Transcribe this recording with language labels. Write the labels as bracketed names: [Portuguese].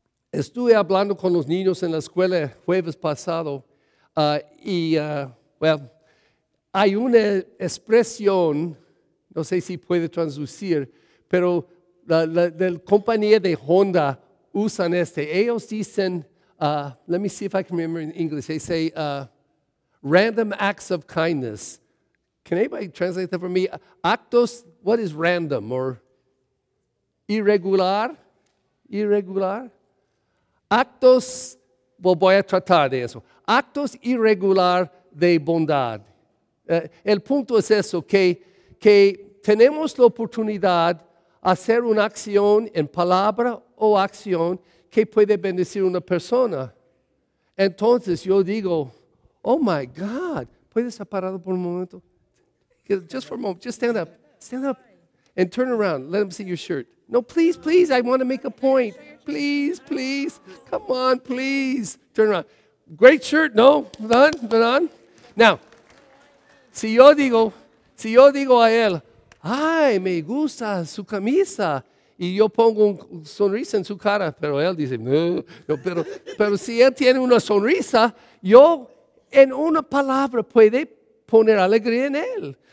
[Spanish] Estuve hablando con los niños en la escuela jueves pasado hay una expresión, no sé si puede traducir, pero de la compañía de Honda usan este. Ellos dicen, [English] let me see if I can remember in English, they say random acts of kindness. Can anybody translate that for me? [Spanish] Actos, [English] what is random or irregular? Irregular? [Spanish] Actos, well, voy a tratar de eso. Actos irregular de bondad. El punto es eso, que tenemos la oportunidad de hacer una acción en palabra o acción que puede bendecir a una persona. Entonces yo digo, [English] oh my God, [Spanish] ¿puedes estar parado por un momento? [English] Just for a moment, just stand up and turn around, let them see your shirt. No, please, please, I want to make a point. Please, please, come on, please, turn around. Great shirt, no, none. [Spanish] Now, si yo digo a él, ay, me gusta su camisa, y yo pongo una sonrisa en su cara, pero él dice, no, pero si él tiene una sonrisa, yo en una palabra puede poner alegría en él.